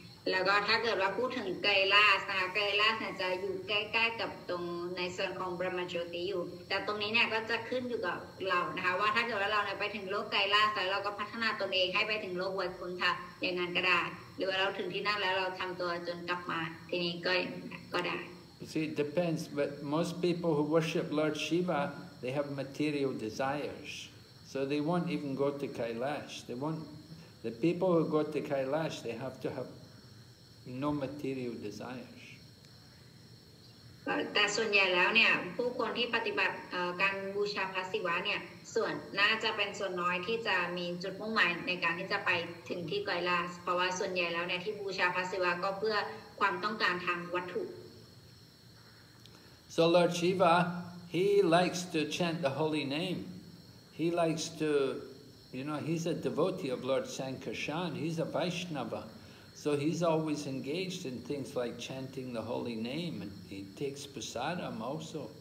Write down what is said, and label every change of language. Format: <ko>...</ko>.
<th>แล้วก็ถ้าเกิดว่าพูดถึง Kailash นะ Kailash เนี่ยจะอยู่ใกล้ๆกับตรงในส่วนของ Brahmajyoti อยู่แต่ตรงนี้เนี่ยก็จะขึ้นอยู่กับเรานะคะว่าถ้าเกิดว่าเราเนี่ยไปถึงโลกไกลล่าแล้วเราก็พัฒนาตนเองให้ไปถึงโลกไวยกุณฑะอย่างนั้นก็ได้หรือว่าเราถึงที่นั่นแล้วเราทำตัวจนกลับมาทีนี้ก็ได้</th> <en>See, it depends, but most people who worship Lord Shiva, they have material desires. So they won't even go to Kailash. They won't... The people who go to Kailash, they have to have no material desires.</en> <th>แต่ส่วนใหญ่แล้วเนี่ยผู้คนที่ปฏิบัติการบูชาพระศิวะเนี่ยส่วนน่าจะเป็นส่วนน้อยที่จะมีจุดมุ่งหมายในการที่จะไปถึงที่ไกลลาสเพราะว่าส่วนใหญ่แล้วเนี่ยที่บูชาพระศิวะก็เพื่อความต้องการทางวัตถุ</th> <en>So Lord Shiva he likes to chant the holy name he likes to you know he's a devotee of Lord Sankarshan he's a Vaishnava. So he's always engaged in things like chanting the holy name, and he takes prasadam also.</en>